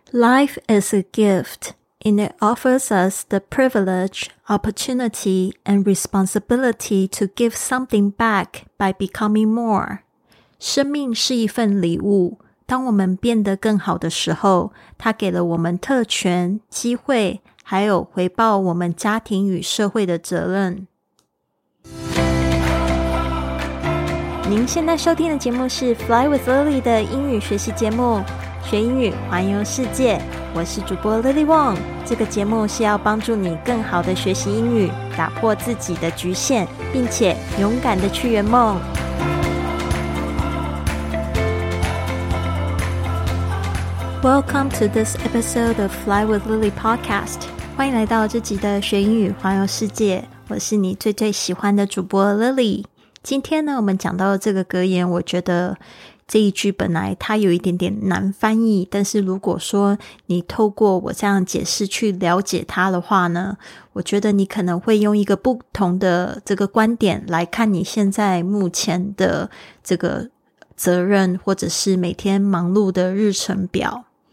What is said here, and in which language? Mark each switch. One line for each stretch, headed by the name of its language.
English: Life is a gift, and it offers us the privilege, opportunity, and responsibility to give something back by becoming more.
Chinese: 生命是一份礼物，当我们变得更好的时候，它给了我们特权、机会，还有回报我们家庭与社会的责任。您现在收听的节目是 Fly with Lily 的英语学习节目，学英语环游世界，我是主播 Lily Wong。这个节目是要帮助你更好的学习英语，打破自己的局限，并且勇敢的去圆梦。
English: Welcome to this episode of Fly with Lily podcast.
Chinese: 欢迎来到这集的学英语环游世界，我是你最最喜欢的主播 Lily。今天呢，我们讲到这个格言，我觉得这一句本来它有一点点难翻译，但是如果说你透过我这样解释去了解它的话呢，我觉得你可能会用一个不同的这个观点来看你现在目前的这个责任，或者是每天忙碌的日程表。